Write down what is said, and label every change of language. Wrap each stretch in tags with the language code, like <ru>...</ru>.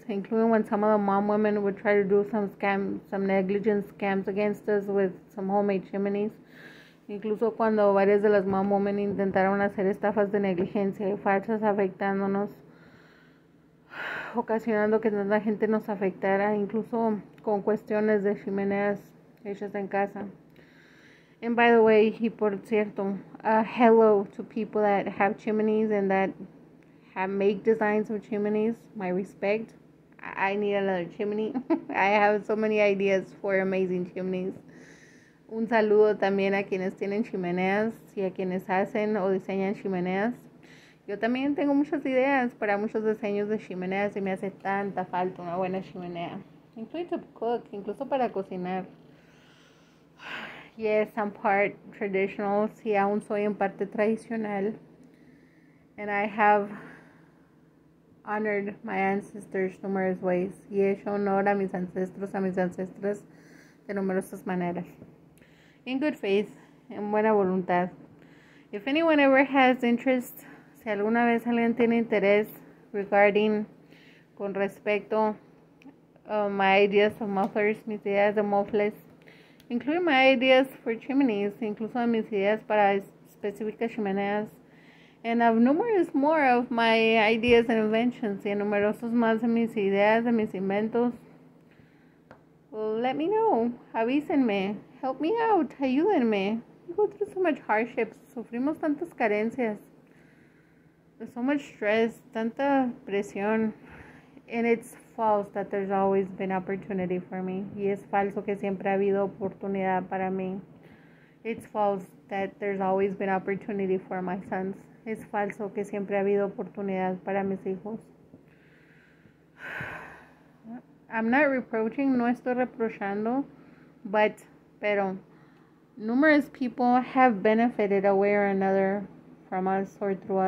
<en>Including when some of the mom women would try to do some scam, some negligence scams against us with some homemade chimneys.</en> <es>Incluso cuando varias de las</es> <en>mom women</en> <es>intentaron hacer estafas de negligencia y falsas afectándonos, ocasionando que tanta gente nos afectara, incluso con cuestiones de chimeneas hechas en casa.</es> <en>And by the way,</en> <es>y por cierto,</es> <en>hello to people that have chimneys and that have make designs of chimneys. My respect. I need another chimney. I have so many ideas for amazing chimneys.</en> <es>Un saludo también a quienes tienen chimeneas y a quienes hacen o diseñan chimeneas. Yo también tengo muchas ideas para muchos diseños de chimeneas y me hace tanta falta una buena chimenea.</es> <en>Including to cook,</en> <es>incluso para cocinar.</es> <en>Yes, I'm part traditional.</en> <es>Sí, aún soy en parte tradicional.</es> <en>And I have honored my ancestors numerous ways.</en> <es>Y he hecho honor a mis ancestros, a mis ancestras, de numerosas maneras.</es> <en>In good faith,</en> <es>en buena voluntad.</es> <en>If anyone ever has interest,</en> <es>si alguna vez alguien tiene interés</es> <en>regarding,</en> <es>con respecto</es> <en>Oh, my ideas of mufflers,</en> <es>mis ideas de mofles.</es> <en>Include my ideas for chimneys,</en> <es>incluso mis ideas para específicas chimeneas.</es> <en>And of numerous more of my ideas and inventions,</en> <es>y numerosos más de mis ideas, de mis inventos.</es> <en>Let me know,</en> <es>avísenme,</es> <en>help me out,</en> <es>ayúdenme.</es> <en>We go through so much hardships,</en> <es>sufrimos tantas carencias.</es> <en>There's so much stress,</en> <es>tanta presión.</es> <en>And it's false that there's always been opportunity for me.</en> <es>Y es falso que siempre ha habido oportunidad para mí.</es> <en>It's false that there's always been opportunity for my sons.</en> <es>Es falso que siempre ha habido oportunidad para mis hijos.</es> <en>I'm not reproaching,</en> <es>no estoy reprochando,</es> <en>but,</en> <es>pero,</es> <en>numerous people have benefited away or another from us or through us.</en>